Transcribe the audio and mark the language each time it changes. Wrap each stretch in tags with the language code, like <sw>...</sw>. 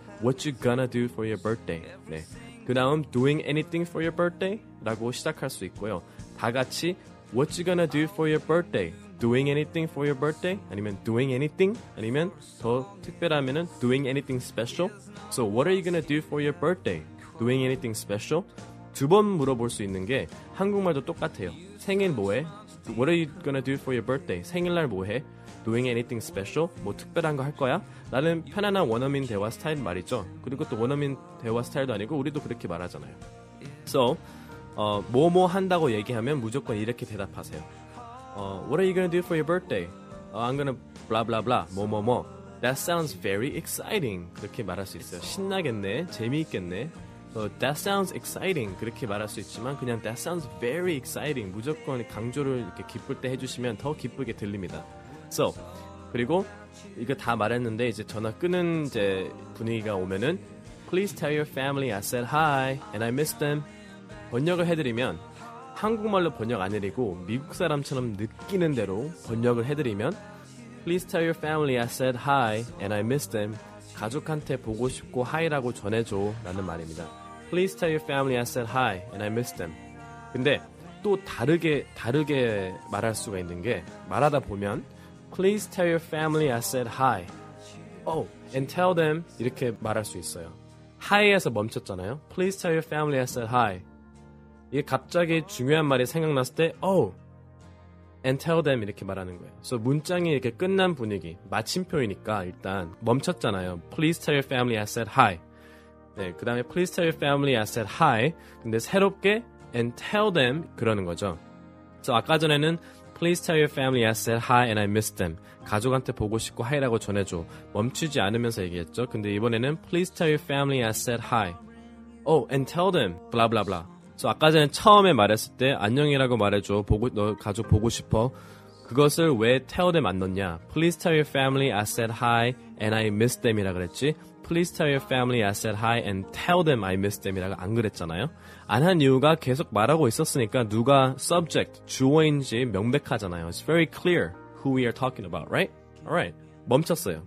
<en>What you gonna do for your birthday?</en> <ko>네. 그 다음</ko> <en>doing anything for your birthday?</en> <ko>라고 시작할 수 있고요. 다 같이</ko> <en>what you gonna do for your birthday? doing anything for your birthday? 아니면 doing anything?</en> <ko>아니면 더 특별하면은</ko> <en>doing anything special? So what are you gonna do for your birthday? doing anything special?</en> <ko>두 번 물어볼 수 있는 게 한국말도 똑같아요. 생일 뭐해?</ko> <en>what are you gonna do for your birthday?</en> <ko>생일날 뭐해?</ko> <en>doing anything special?</en> <ko>뭐 특별한 거 할 거야? 라는 편안한 원어민 대화 스타일 말이죠. 그리고 또 원어민 대화 스타일도 아니고 우리도 그렇게 말하잖아요. So, 뭐뭐 한다고 얘기하면 무조건 이렇게 대답하세요.</ko> <en>What are you gonna do for your birthday? I'm gonna blah blah blah,</en> <ko>뭐뭐뭐.</ko> <en>That sounds very exciting.</en> <ko>그렇게 말할 수 있어요. 신나겠네, 재미있겠네.</ko> <en>That sounds exciting.</en> <ko>그렇게 말할 수 있지만 그냥</ko> <en>that sounds very exciting.</en> <ko>무조건 강조를 이렇게 기쁠 때 해주시면 더 기쁘게 들립니다.</ko> <en>So,</en> <ko>그리고 이거 다 말했는데 이제 전화 끊은 이제 분위기가 오면은</ko> <en>Please tell your family I said hi and I miss them.</en> <ko>번역을 해드리면 한국말로 번역 안 해드리고 미국 사람처럼 느끼는 대로 번역을 해드리면</ko> <en>Please tell your family I said hi and I miss them.</en> <ko>가족한테 보고 싶고 hi라고 전해줘 라는 말입니다.</ko> <en>Please tell your family I said hi and I miss them.</en> <ko>근데 또 다르게 말할 수가 있는 게 말하다 보면</ko> <en>Please tell your family I said hi. Oh, and tell them</en> <ko>이렇게 말할 수 있어요. Hi에서 멈췄잖아요.</ko> <en>Please tell your family I said hi.</en> <ko>이게 갑자기 중요한 말이 생각났을 때</ko> <en>Oh, and tell them</en> <ko>이렇게 말하는 거예요. So 문장이 이렇게 끝난 분위기, 마침표이니까 일단 멈췄잖아요.</ko> <en>Please tell your family I said hi.</en> <ko>네, 그 다음에</ko> <en>Please tell your family I said hi.</en> <ko>근데 새롭게</ko> <en>and tell them</en> <ko>그러는 거죠.</ko> <en>So</en> <ko>아까 전에는</ko> <en>Please tell your family I said hi and I miss them.</en> <ko>가족한테 보고 싶고 hi라고 전해줘. 멈추지 않으면서 얘기했죠. 근데 이번에는 Please tell your family I said hi. Oh, and tell them. Blah, blah, blah. So 아까 전에 처음에 말했을 때 안녕이라고 말해줘. 너 가족 보고 싶어. 그것을 왜 tell them 안 넣냐.</ko> <en>Please tell your family I said hi and I miss them</en> <ko>이라 그랬지.</ko> <en>Please tell your family I said hi and tell them I miss them</en> <ko>이라고 안 그랬잖아요. 안 한 이유가 계속 말하고 있었으니까 누가 subject, 주어인지 명백하잖아요.</ko> <en>It's very clear who we are talking about, right? Alright,</en> <ko>멈췄어요.</ko>